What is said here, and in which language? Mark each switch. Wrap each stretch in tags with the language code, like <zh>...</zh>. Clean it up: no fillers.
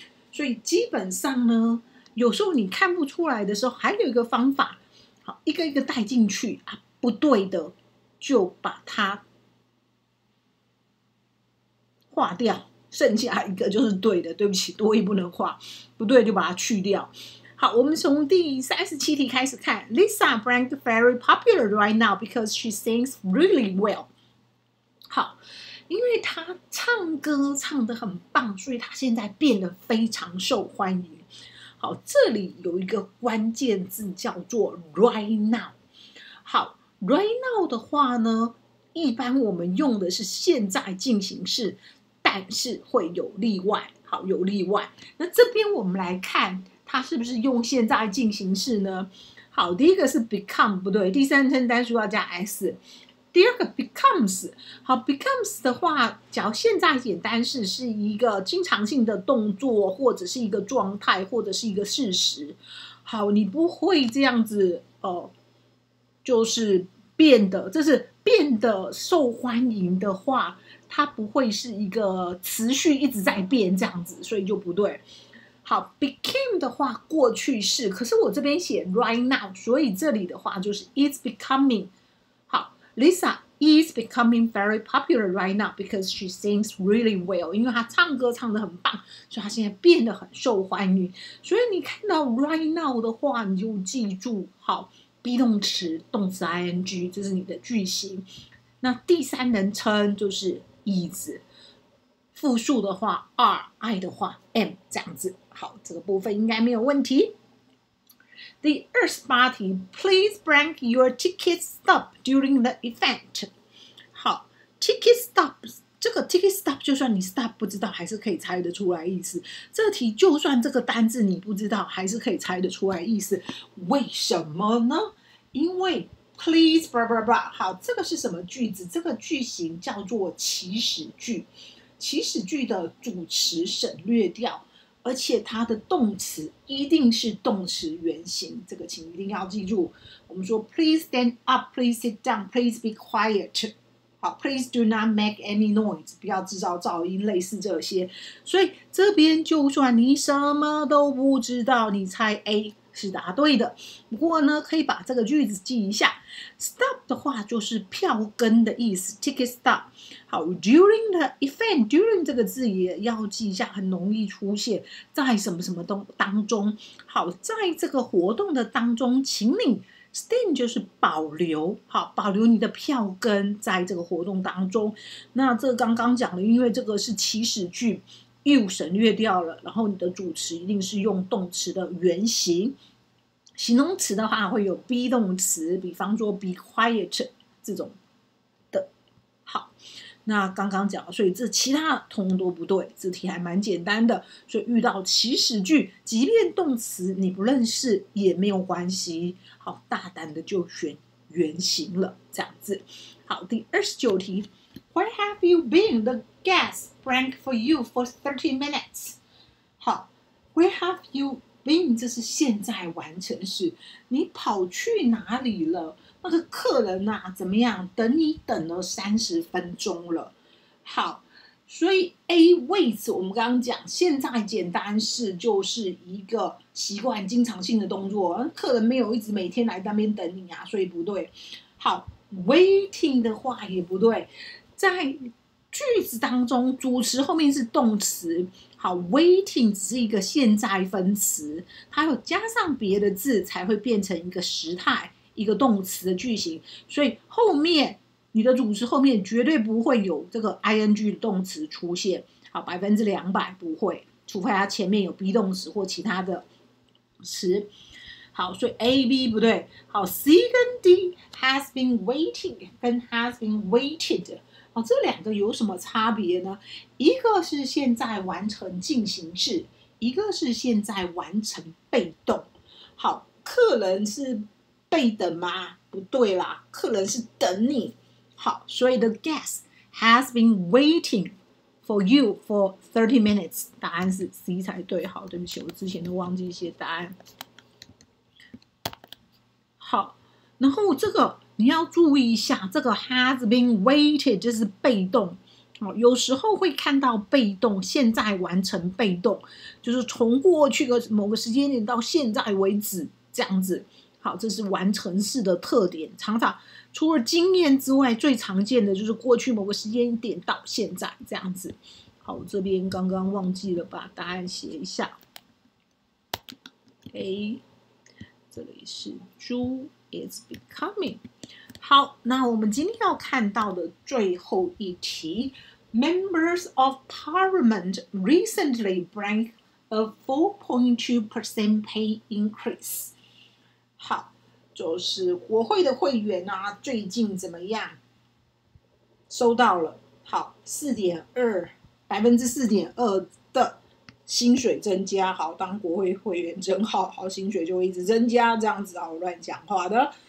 <zh>所以基本上呢，有时候你看不出来的时候，还有一个方法，好，一个一个带进去啊，不对的就把它划掉，剩下一个就是对的。对不起，多益不能划，不对就把它去掉。好，我们从第37题开始看。</zh> <en>Lisa Frank very popular right now because she sings really well。</en> <zh>好，因为她唱歌唱得很棒，所以她现在变得非常受欢迎。好，这里有一个关键字叫做 right now。好， right now 的话呢，一般我们用的是现在进行式，但是会有例外。好，有例外，那这边我们来看它是不是用现在进行式呢。好，第一个是 become， 不对，第三称单数要加 s。第二个 becomes， 好， becomes 的话，假如现在简单式是一个经常性的动作，或者是一个状态，或者是一个事实。好，你不会这样子就是变得，这是变得受欢迎的话，它不会是一个持续一直在变这样子，所以就不对。好， became 的话过去式，可是我这边写 right now， 所以这里的话就是 it's becoming。</zh> <en>Lisa is becoming very popular right now because she sings really well，</en> <zh>因为她唱歌唱得很棒，所以她现在变得很受欢迎。所以你看到 right now 的话，你就记住，好， be 动词，动词 ing， 这是你的句型。那第三人称就是 is， 复数的话 are， I 的话 am， 这样子。好，这个部分应该没有问题。第28题，</zh> <en>Please bring your ticket stub during the event。</en> <zh>好， ticket stub， 这个 ticket stub 就算你 stub 不知道还是可以猜得出来意思。这题就算这个单字你不知道还是可以猜得出来意思，为什么呢？因为</zh> <en>please blah blah blah，</en> <zh>好，这个是什么句子？这个句型叫做祈使句，祈使句的主词省略掉，而且它的动词一定是动词原形，这个请一定要记住。我们说</zh> <en>please stand up, please sit down, please be quiet，</en> <zh>好，</zh> <en>please do not make any noise，</en> <zh>不要制造噪音，类似这些。所以这边就算你什么都不知道，你猜 A 是答对的。不过呢，可以把这个句子记一下。stub 的话就是票根的意思， ticket stub。好， during the event， during 这个字也要记一下，很容易出现在什么什么当中。好，在这个活动的当中，请你 stand 就是保留，好，保留你的票根在这个活动当中。那这刚刚讲的，因为这个是祈使句， you 省略掉了，然后你的主词一定是用动词的原形。形容词的话会有 be 动词，比方说 be quiet 这种的。好，那刚刚讲了，所以这其他通通都不对，这题还蛮简单的。所以遇到祈使句，即便动词你不认识也没有关系，好，大胆的就选原型了，这样子。</zh> <en>好，第29题， Where have you been? The guest prank for you for 30 minutes。好， Where have you been?</en> <zh>这是现在完成式，你跑去哪里了？那个客人啊怎么样，等你等了30分钟了。好，所以 A 位置我们刚刚讲现在简单式就是一个习惯经常性的动作，客人没有一直每天来那边等你啊，所以不对。好， waiting 的话也不对，在句子当中主词后面是动词，好， waiting 只是一个现在分词，它有加上别的字才会变成一个时态，一个动词的句型。所以后面你的主词后面绝对不会有这个 ing 的动词出现，好，200%不会，除非它前面有 be 动词或其他的词。好，所以 A、B 不对。好， C 跟 D， has been waiting 跟 has been waited， 好，这两个有什么差别呢？一个是现在完成进行式，一个是现在完成被动。好，客人是被等吗？不对啦，客人是等你。</zh> <en>好，所以 the guest has been waiting for you for 30 minutes.</en> <zh>答案是 C 才对。好，对不起，我之前都忘记一些答案。好，然后这个你要注意一下，这个 has been waited 就是被动。有时候会看到被动，现在完成被动，就是从过去的某个时间点到现在为止，这样子。好，这是完成式的特点，常常除了经验之外，最常见的就是过去某个时间点到现在，这样子。好，我这边刚刚忘记了把答案写一下。</zh> <en>A，</en> <zh>这里是</zh> <en>Ju is becoming。</en> <zh>好，那我们今天要看到的最后一题，</zh> <en>Members of Parliament recently brought a 4.2% pay increase。</en> <zh>好，就是国会的会员啊，最近怎么样收到了，好， 4.2% 的薪水增加。好，当国会会员真好，好，薪水就会一直增加，这样子啊，我乱讲话的。</zh>